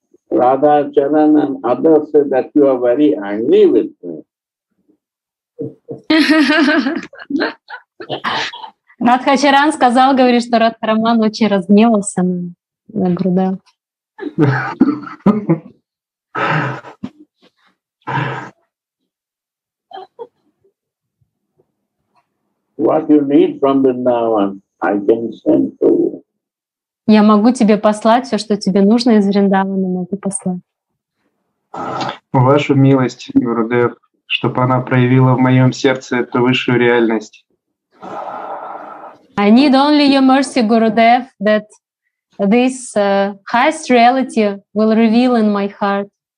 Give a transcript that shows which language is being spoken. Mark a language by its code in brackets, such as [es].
[en] Radha Charan and others say that you are very angry with me. [ru] Радха Чаран сказал, говорит, что Радха Раман очень разгневался на Гурудев. [en] What you need from Vrindavan, I can send to you. [ru] Я могу тебе послать все, что тебе нужно из Вриндавана, могу послать. Вашу милость, Гурудев, чтобы она проявила в моем сердце эту высшую реальность. [en] I need only your mercy, Gurudev, that this highest reality will reveal in my heart.